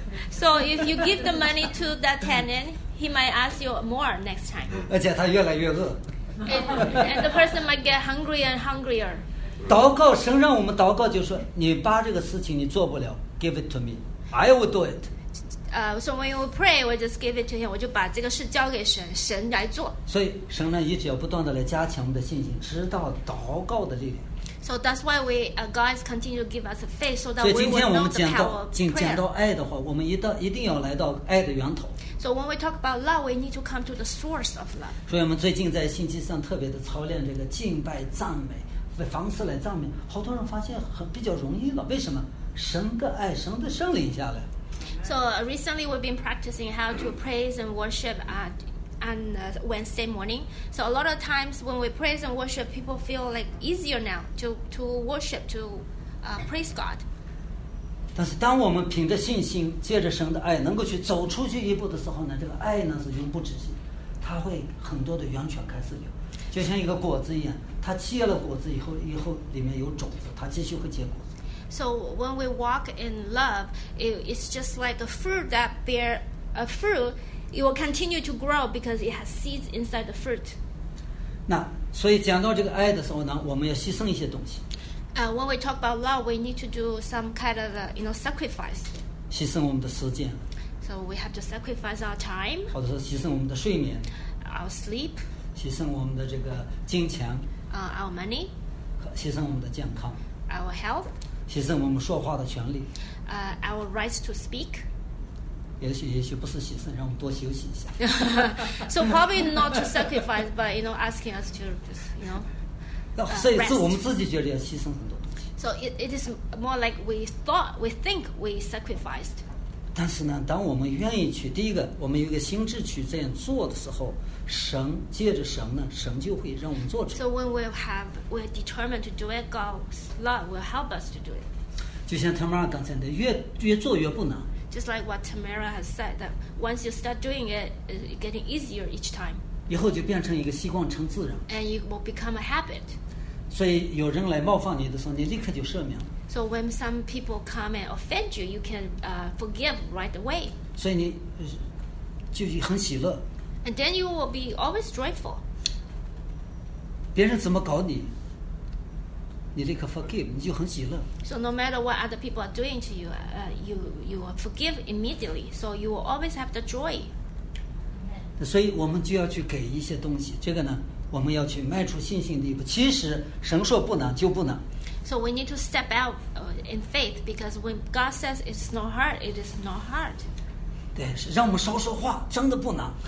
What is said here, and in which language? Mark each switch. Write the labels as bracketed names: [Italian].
[English] So if you give the money to that tenant, he might ask you more next time. [Chinese] 而且他越来越饿。 [English] And the person might get hungrier and hungrier. [Chinese] 祷告，神让我们祷告，就是说你把这个事情你做不了 ， [English] give it to me. I will do it. So when we pray, we just give it to him. [Chinese] 我就把这个事交给神，神来做。所以神呢，一直要不断的来加强我们的信心，直到祷告的力量。 [English] So that's why we, God is continue to give us faith, so that we will know the power. [Chinese] 所以今天我们讲到爱的话，我们一定要来到爱的源头。 [English] So when we talk about love, we need to come to the source of love. [Chinese] 所以我们最近在星期三特别的操练这个敬拜赞美，为方式来赞美，好多人发现很比较容易了，为什么？神的爱，神的圣灵下来。 [English] So recently we've been practicing how to praise and worship at on Wednesday morning. So a lot of times when we praise and worship, people feel like easier now to worship to praise God. [Chinese] 但是当我们凭着信心，借着神的爱，能够去走出去一步的时候呢，这个爱呢是永不止息，它会很多的源泉开始流，就像一个果子一样，它结了果子以后里面有种子，它继续会结果。 [English] So when we walk in love, it's just like a fruit that bear a fruit. It will continue to grow because it has seeds inside the fruit. [Chinese] 那所以讲到这个爱的时候呢，我们要牺牲一些东西。 [English] When we talk about love, we need to do some kind of sacrifice. [Chinese] 牺牲我们的时间。 [English] So we have to sacrifice our time. [Chinese] 或者说牺牲我们的睡眠。 [English] Our sleep. [Chinese] 牺牲我们的这个金钱。 [English] Our money. [Chinese] 牺牲我们的健康。 [English] Our health. [Chinese] 牺牲我们说话的权利。 [English] Our right to speak. [Chinese] 也许不是牺牲，让我们多休息一下。 [English] So probably not to sacrifice, but you know, asking us to rest. [Chinese] 所以是我们自己觉得要牺牲很多东西。 [English] So it is more like we think we sacrificed. [Chinese] 但是呢，当我们愿意去，第一个，我们有一个心智去这样做的时候，神借着神呢，神就会让我们做出来。 [English] So when we're determined to do it, God's love will help us to do it. [Chinese] 就像 Tamara 刚才的，越做越不难。 [English] Just like what Tamara has said, that once you start doing it, it's getting easier each time. [Chinese] 以后就变成一个习惯，成自然。 [English] And it will become a habit. [Chinese] 所以有人来冒犯你的时候，你立刻就赦免了。 [English] So when some people come and offend you, you can forgive right away. [Chinese] 所以你就很喜乐。 [English] And then you will be always joyful. [Chinese] 别人怎么搞你，你立刻 [English] forgive， [Chinese] 你就很喜乐。 [English] So no matter what other people are doing to you, you will forgive immediately. So you will always have the joy. [Chinese] 所以我们就要去给一些东西，这个呢，我们要去迈出信心的一步。其实神说不能就不能。 [English] So we need to step out in faith because when God says it's not hard, it is not hard. [Chinese] 对，让我们少说话，真的不能。